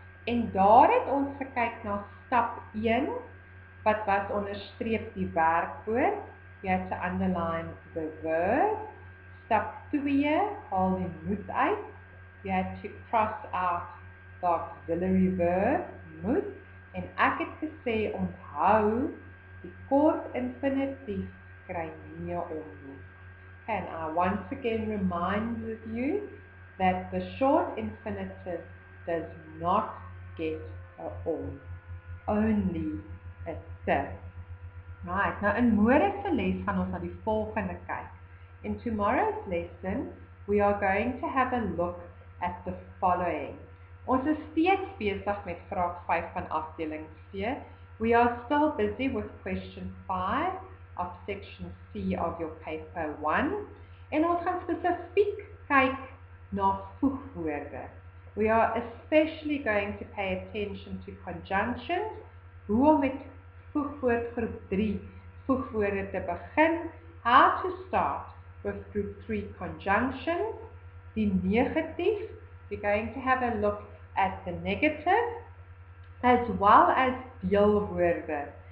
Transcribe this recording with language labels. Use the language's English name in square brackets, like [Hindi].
[Afrikaans] En daar het ons gekyk na stap 1, wat was onderstreep die werkwoord. [English] You had to underline the verb. [Afrikaans] Stap 2, haal die moet uit. [English] You had to cross out the auxiliary verb, moet. [Afrikaans] En ek het gesê, onthou, die kort infinitief kry nie om nie. [English] And I once again remind you that the short infinitive does not get a om, only a te. Right, now in [Afrikaans] môre se les gaan ons na die volgende kyk. [English] In tomorrow's lesson, we are going to have a look at the following. [Afrikaans] Ons is steeds besig met vraag 5 van afdeling C. [English] We are still busy with question 5 of section C of your paper 1. [Afrikaans] En ons gaan spesifiek kyk na voegwoorde. [English] We are especially going to pay attention to conjunctions, [Afrikaans] hoe om met voegwoord groep 3 voegwoorde te begin, [English] how to start with group 3 conjunctions, [Afrikaans] die negatief, [English] we're going to have a look at the negative, as well as deelwoorde.